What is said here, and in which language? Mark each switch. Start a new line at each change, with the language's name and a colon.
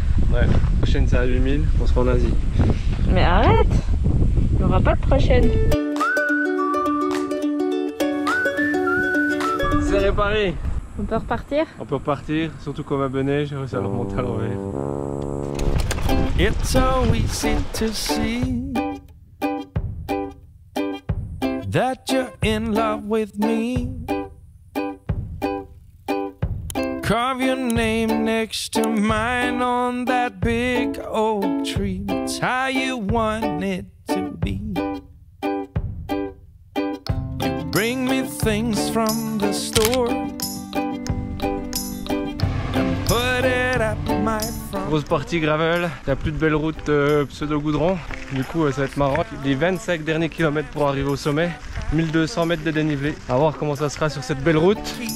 French: Ouais, prochaine c'est à 8000, on sera en Asie. Mais arrête, il n'y aura pas de prochaine. C'est réparé. On peut repartir? On peut repartir, surtout qu'on va bener, j'ai réussi à le remonter à l'envers.
English: It's always easy to see that you're in love with me. Carve your name next to mine on that big oak tree. It's how you want it to be. Bring me things from the store and put it up my front.
French: Grosse partie gravel, t'as plus de belle route pseudo-goudron. Du coup ça va être marrant. Les 25 derniers kilomètres pour arriver au sommet, 1200 mètres de dénivelé. A voir comment ça sera sur cette belle route.